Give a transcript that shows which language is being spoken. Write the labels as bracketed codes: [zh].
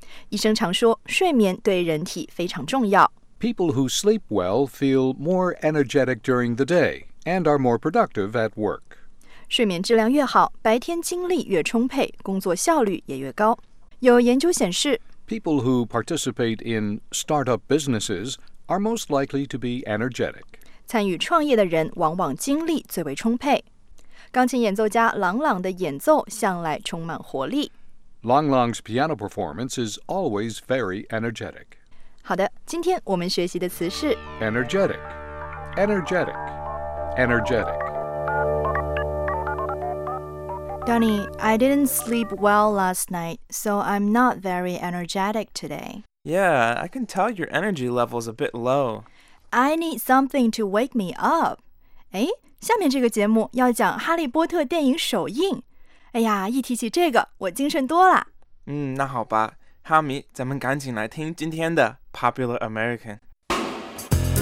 [zh] 医生常说，睡眠对人体非常重要。 [en] People who sleep well feel more energetic during the day and are more productive at work. [zh] 睡眠质量越好，白天精力越充沛，工作效率也越高。有研究显示， [en] People who participate in startup businesses are most likely to be energetic. [zh] 参与创业的人往往精力最为充沛。钢琴演奏家朗朗的演奏向来充满活力。 [en] 朗朗's piano performance is always very energetic. [zh] 好的，今天我们学习的词是 [en] energetic, energetic, energetic. Danny, I didn't sleep well last night, so I'm not very energetic today. Yeah, I can tell your energy level's a bit low. I need something to wake me up. 诶？ [zh] 下面这个节目要讲《哈利波特》电影首映，哎呀，一提起这个，我精神多了。嗯，那好吧，哈迷，咱们赶紧来听今天的《Popular American》。